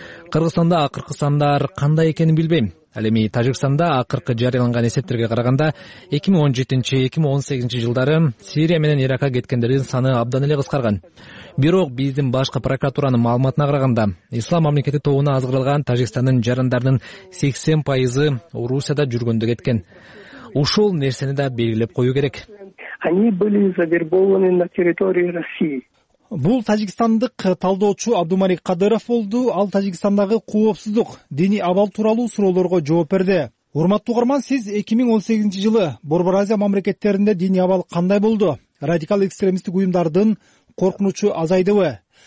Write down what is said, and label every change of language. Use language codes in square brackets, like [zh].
[ky] Кыргызстанда акыркы сандар кандай экенин билбейм. Ал эми Тажикстанда акыркы жарыяланган эсептерге караганда 2017-2018 жылдары Сирия менен Иракка кеткендердин саны абдан эле кыскарган. Бирок биздин башкы прокуратуранын маалыматына караганда, Ислам мамлекети тобуна азгырылган Тажикстандын жарандарынын 80% Орусияда жүргөндө кеткен. Ушул нерсени да белгилеп коюу керек. [ru] Они были завербованы на территории России. [ky] Бул тажикстандык талдоочу Абдумалик Кадыров болду. Ал Тажикстандагы коопсуздук, диний абал тууралуу суроолорго жооп берди. Урматтуу угарман, сиз 2018 жылы Борбор Азия мамлекеттеринде диний абал кандай болду? Радикал экстремисттик уюмдардын коркунучу азайдыбы?